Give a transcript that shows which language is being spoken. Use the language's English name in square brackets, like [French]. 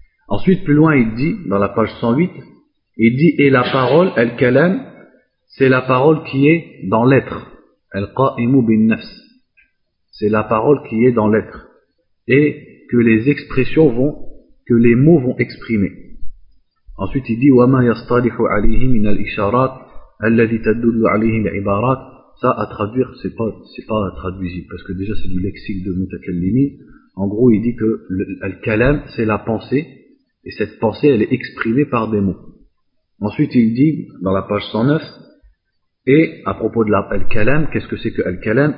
[French] Ensuite, plus loin, il dit, dans la page 108, il dit, et la parole, al-kalam, c'est la parole qui est dans l'être. Al-qa'imu bin-nafs. C'est la parole qui est dans l'être. Et que les expressions vont, que les mots vont exprimer. Ensuite, il dit, [Arabic] وَمَا يَصْطَلِحُ عَلِيهِ مِنَ الْإِشَارَاتِ الَّذِي تَدُّلُ عَلِيهِ الْعِبَارَاتِ. [French] Ça, à traduire, c'est pas traduisible, parce que déjà, c'est du lexique de Mutakallimi. En gros, il dit que le kalam, c'est la pensée, et cette pensée, elle est exprimée par des mots. Ensuite, il dit, dans la page 109, et à propos de le kalam, qu'est-ce que c'est que le kalam?